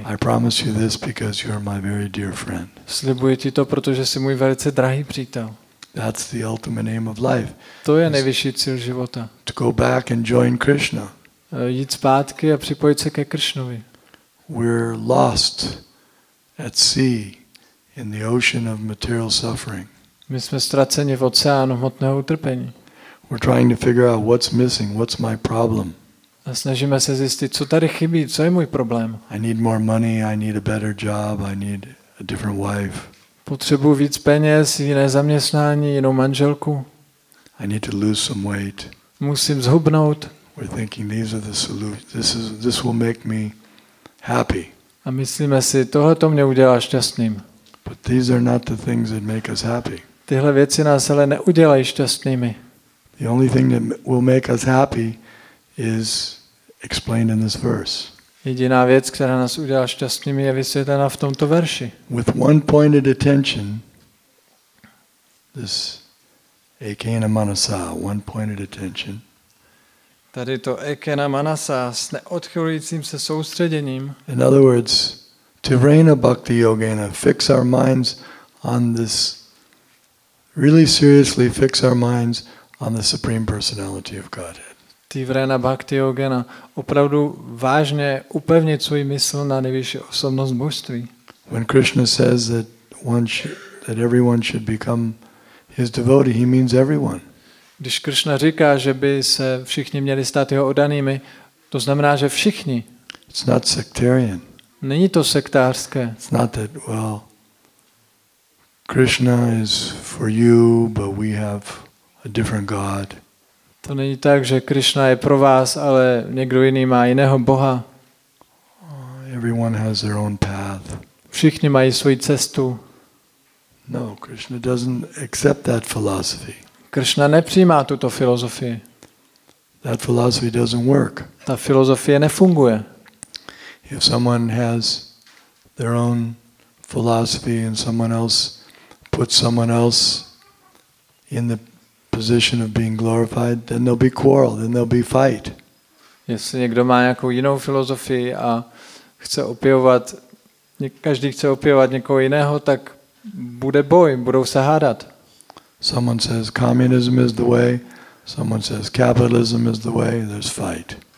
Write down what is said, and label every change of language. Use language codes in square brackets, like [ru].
[en] I promise you this because you are my very dear friend. [cs] Slibuji ti to, protože jsi můj velice drahý přítel. [en] That's the ultimate aim of life. [cs] To je nejvyšší cíl života. [en] To go back and join Krishna. [cs] Jít zpátky a připojit se ke Krishnovi. [en] We're lost at sea in the ocean of material suffering. [cs] My jsme ztraceni v oceánu hmotného utrpení. [en] We're trying to figure out what's missing, what's my problem. [cs] A snažíme se zjistit, co tady chybí, co je můj problém. [en] I need more money, I need a better job, I need a different wife. [cs] Potřebuji víc peněz, jiné zaměstnání, jinou manželku. [en] I need to lose some weight. [cs] Musím zhubnout. [en] We're thinking these are the solutions. This will make me happy. [cs] A myslíme si, tohle to mě udělá šťastným. [en] But these are not the things that make us happy. [cs] Tyhle věci nás ale neudělají šťastnými. [en] The only thing that will make us happy is explained in this verse. [cs] Jediná věc, která nás udělá šťastnými, je vysvětlena v tomto verši. [en] With one pointed attention, this [sa] ekena manasa, [en] one pointed attention. [cs] Tady to [sa] ekena manasa [cs] s neodchylujícím se soustředěním. [en] In other words, [sa] tivrena bhakti yogena, [en] fix our minds on this really seriously fix our minds on the Supreme Personality of Godhead. [sa] Ty vrena bhakti yogena [cs] opravdu vážne upevniť svoj mysl na najvyššiu osobnosť božství. [en] When Krishna says that one should, that everyone should become his devotee, he means everyone. [cs] Když Krishna říká, že by se všichni měli stát jeho oddanými, to znamená, že všichni. [en] It's not sectarian. [cs] Není to sektářské. [en] It's not that, well, Krishna is for you, but we have a different God. [cs] To není tak, že Krishna je pro vás, ale někdo jiný má jiného Boha. [en] Everyone has their own path. [cs] Všichni mají svoji cestu. [en] No, Krishna doesn't accept that philosophy. [cs] Krishna nepřijímá tuto filozofii. [en] That philosophy doesn't work. [cs] Ta filozofie nefunguje. [en] If someone has their own philosophy and someone else puts someone else in the position of being glorified, then there'll be quarrel, then there'll be fight. [cs] Jestli někdo má nějakou jinou filozofii a chce opěvovat, každý chce opěvovat někoho jiného, tak bude boj, budou se hádat. [en] Someone says communism is the way. Someone says capitalism is the way. There's fight.